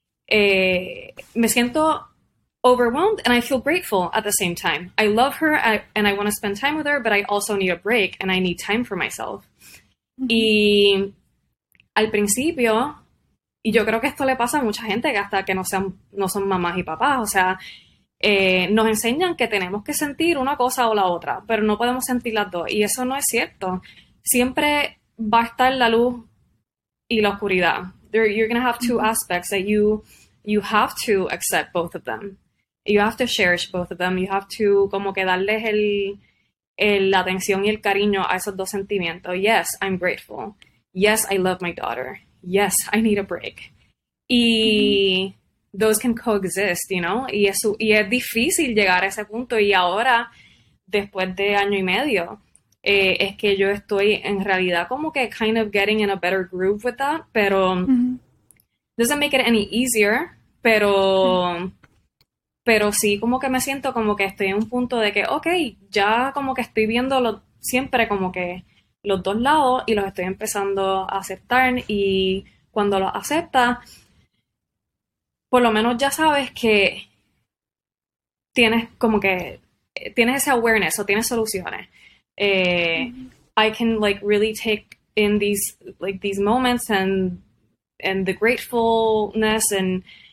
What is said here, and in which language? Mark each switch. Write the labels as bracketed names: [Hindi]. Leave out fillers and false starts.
[Spanish] me siento [English] overwhelmed and I feel grateful at the same time. I love her and I want to spend time with her, but I also need a break and I need time for myself. [Spanish] Y al principio, y yo creo que esto le pasa a mucha gente, que hasta que no son mamás y papás, o sea, nos enseñan que tenemos que sentir una cosa o la otra, pero no podemos sentir las dos. Y eso no es cierto. Siempre va a estar la luz y la oscuridad. [English] You're going to have two aspects that you have to accept both of them. You have to cherish both of them. You have to [Spanish] como que darles la atención y el cariño a esos dos sentimientos. [English] Yes, I'm grateful. Yes, I love my daughter. Yes, I need a break. Y those can coexist, you know? [Spanish] Y es difícil llegar a ese punto. Y ahora, después de año y medio, es que yo estoy en realidad como que [English] kind of getting in a better groove with that. Pero doesn't make it any easier. Pero... [Spanish] pero sí, como que me siento como que estoy en un punto de que, ok, ya como que estoy viendo siempre como que los dos lados y los estoy empezando a aceptar. Y cuando los aceptas, por lo menos ya sabes que tienes como que, tienes ese awareness o tienes soluciones. [English] I can like really take in these moments and the gratefulness and...